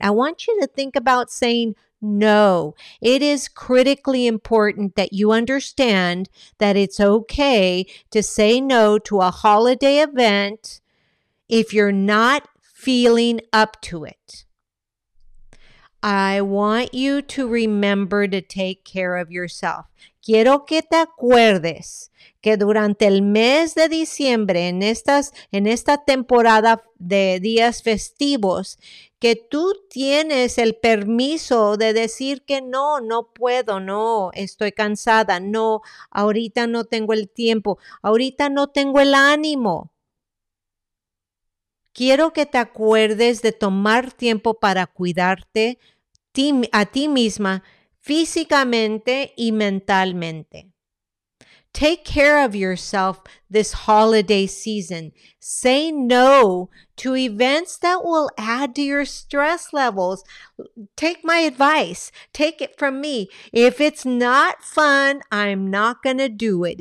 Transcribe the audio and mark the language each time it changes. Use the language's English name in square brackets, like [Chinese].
[English] I want you to think about saying no. It is critically important that you understand that it's okay to say no to a holiday event if you're not feeling up to it. I want you to remember to take care of yourself. [Spanish] Quiero que te acuerdes que durante el mes de diciembre, en esta temporada de días festivos, que tú tienes el permiso de decir que no, no puedo, no, estoy cansada, no, ahorita no tengo el tiempo, ahorita no tengo el ánimo. Quiero que te acuerdes de tomar tiempo para cuidarte a ti misma, físicamente y mentalmente. [English] Take care of yourself this holiday season. Say no to events that will add to your stress levels. Take my advice. Take it from me. If it's not fun, I'm not going to do it.